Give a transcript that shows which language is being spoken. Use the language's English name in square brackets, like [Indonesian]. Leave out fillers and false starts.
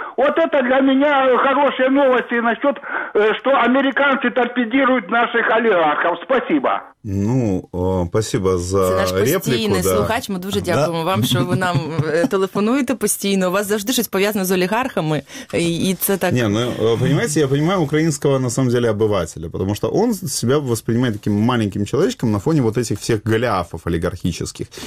[Russian] Вот это для меня хорошие новости насчет, что американцы торпедируют наших олигархов. Спасибо. Ну, спасибо за репліку. [Ukrainian] Це наш постійний слухач, ми дуже дякуємо вам, що ви нам телефонуєте постійно. У вас завжди щось пов'язано з олігархами, і це так... [Russian] Не, ну, понимаете, я понимаю українського, на самом деле, обывателя, потому что он себя воспринимает таким маленьким человечком на фоне вот этих всех голиафов олигархических.